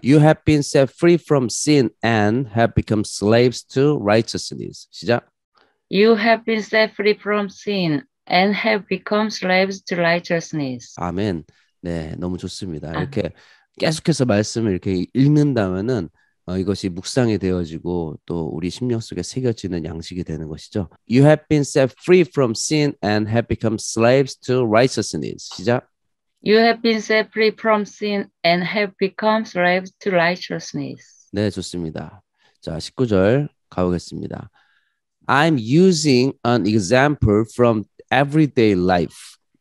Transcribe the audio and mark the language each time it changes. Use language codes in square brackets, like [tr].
[en] You have been set free from sin and have become slaves to righteousness. [ko] 시작. [en] You have been set free from sin and have become slaves to righteousness. [ko] 아멘. 네, 너무 좋습니다. 아멘. 이렇게 계속해서 말씀을 이렇게 읽는다면은 이것이 묵상이 되어지고 또 우리 심령 속에 새겨지는 양식이 되는 것이죠. [en] You have been set free from sin and have become slaves to righteousness. [ko] 시작. [en] You have been set free from sin and have become slaves to righteousness. [ko] 네, 좋습니다. 자, 19절 가보겠습니다. [en] I'm using an example from everyday life.